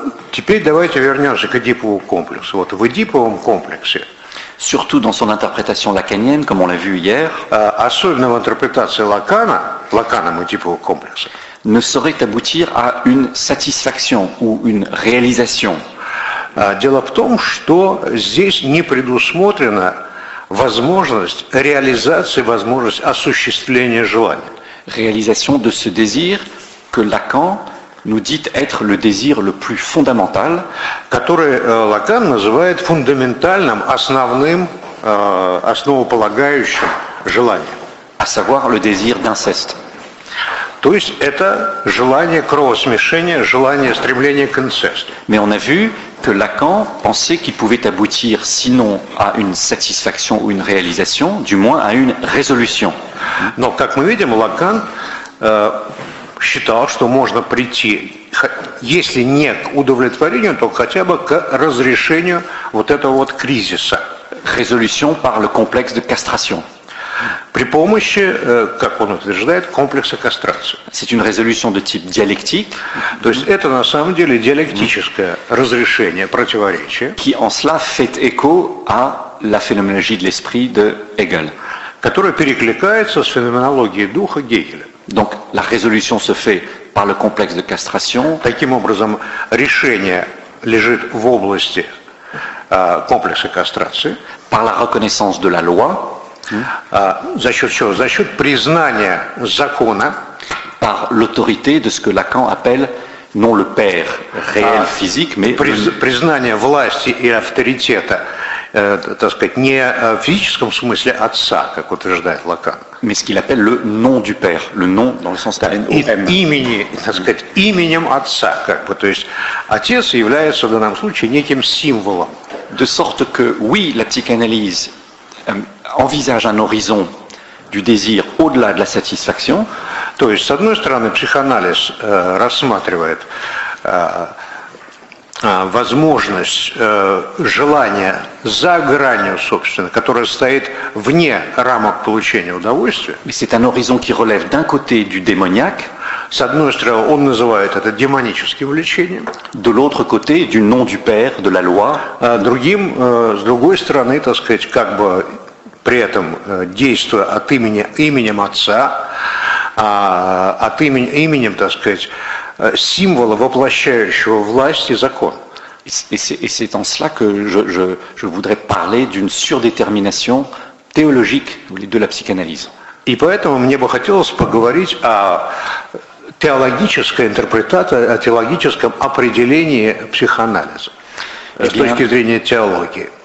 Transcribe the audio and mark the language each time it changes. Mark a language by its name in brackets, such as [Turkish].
[Russian] теперь давайте вернемся к Эдипову комплексу. Вот в Эдиповом комплексе, [French] surtout dans son interprétation lacanienne, comme on l'a vu hier, [Russian] особенно в интерпретации Лакана, Лаканом Эдипового комплекса, [French] ne saurait aboutir à une satisfaction ou une réalisation. [Russian] Дело в том, что здесь не предусмотрена возможность реализации, возможность осуществления желания. [French] Réalisation de ce désir que Lacan nous dit être le désir le plus fondamental, [Russian] который Лакан называет фундаментальным, основным, основополагающим желанием, [French] à savoir le désir d'inceste. [Russian] То есть это желание кровосмешения, желание стремления к инцесту. [French] Mais on a vu que Lacan pensait qu'il pouvait aboutir sinon à une satisfaction ou une réalisation, du moins à une résolution. [Russian] Но как мы видим, Лакан считал, что можно прийти, если не к удовлетворению, то хотя бы к разрешению вот этого вот кризиса. [French] Résolution par le complexe de castration. [Russian] При помощи, как он утверждает, комплекса кастрации. [French] C'est une résolution de type dialectique. [Russian] То есть это на самом деле диалектическое разрешение противоречия. [French] Qui en cela fait écho à la phénoménologie de l'esprit de Hegel. [Russian] Которая перекликается с феноменологией духа Гегеля. [French] Donc la résolution se fait par le complexe de castration. [Russian] Таким образом, решение лежит в области комплекса кастрации. [French] Par la reconnaissance de la loi. [Russian] За счет чего? За счет признания закона. [French] Par l'autorité de ce que Lacan appelle non le père réel physique, mais [Russian] признание власти и авторитета, так сказать, не в физическом смысле отца, как утверждает Лакан. [French] Mais ce qu'il appelle le nom du père, le nom dans le sens de N-O-M. [Russian] Имени, так сказать, именем отца, как бы. То есть отец является в данном случае неким символом. [French] De sorte que, oui, la psychanalyse envisage un horizon du désir au-delà de la satisfaction. [Russian] То есть, с одной стороны, психоанализ рассматривает возможность желания за гранью, собственно, которая стоит вне рамок получения удовольствия. [French] C'est un horizon qui relève d'un côté du démoniaque. [Russian] С одной стороны, он называет это демоническим влечением. [French] De l'autre côté, du nom du père, de la loi. [Russian] Другим, с другой стороны, так сказать, как бы при этом действуя от имени, именем отца, от имени, именем, так сказать, символа, воплощающего власть и закон. [French] Et c'est en cela que je voudrais parler d'une surdétermination théologique de la psychanalyse. [Russian] И поэтому мне бы хотелось поговорить о теологической интерпретации, о теологическом определении психоанализа с точки зрения теологии.